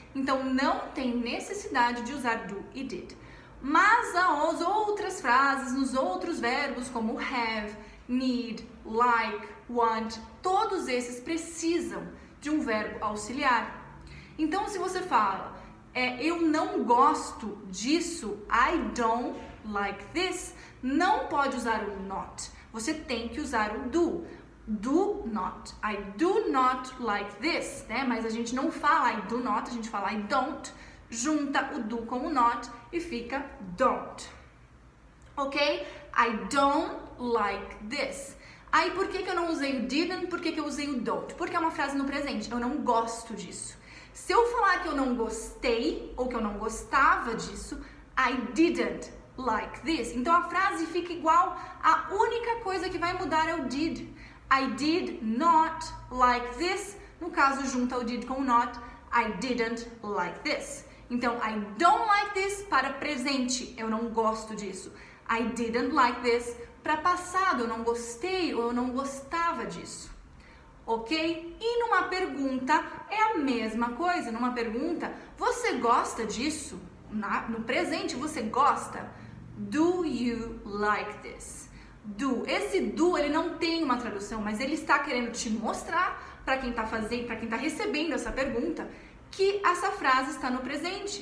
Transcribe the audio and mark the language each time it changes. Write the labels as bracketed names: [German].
[Portuguese] Então, não tem necessidade de usar do e did. Mas as outras frases, nos outros verbos, como have, need, like, want, todos esses precisam de um verbo auxiliar. Então, se você fala, eu não gosto disso, [English] I don't like this, [Portuguese] não pode usar o not, você tem que usar o do. [English] Do not, I do not like this, [Portuguese] né? Mas a gente não fala [English] I do not, [Portuguese] a gente fala [English] I don't, [Portuguese] junta o do com o not e fica don't, ok? [English] I don't like this. [Portuguese] Aí por que eu não usei o didn't, por que eu usei o don't? Porque é uma frase no presente, eu não gosto disso. Se eu falar que eu não gostei ou que eu não gostava disso, [English] I didn't like this. [Portuguese] Então a frase fica igual, a única coisa que vai mudar é o did. [English] I did not like this. [Portuguese] No caso, junta o did com o not. [English] I didn't like this. [Portuguese] Então, [English] I don't like this [Portuguese] para presente. Eu não gosto disso. [English] I didn't like this [Portuguese] para passado. Eu não gostei ou eu não gostava disso. Ok? E numa pergunta, é a mesma coisa. Numa pergunta, você gosta disso? No presente, você gosta? [English] Do you like this? [Portuguese] Do. Esse do, ele não tem uma tradução, mas ele está querendo te mostrar para quem está fazendo, para quem está recebendo essa pergunta, que essa frase está no presente.